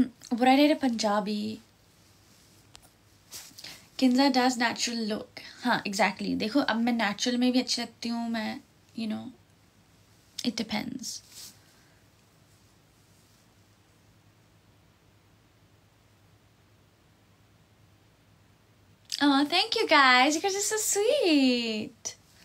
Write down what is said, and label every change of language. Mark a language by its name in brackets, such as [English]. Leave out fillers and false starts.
[English] What I did a Punjabi. Kinza does natural look. Huh, exactly. [Hindi] देखो, अब मैं natural में भी अच्छी लगती हूँ, मैं, [English] you know. It depends. Oh, thank you guys. You guys are so sweet.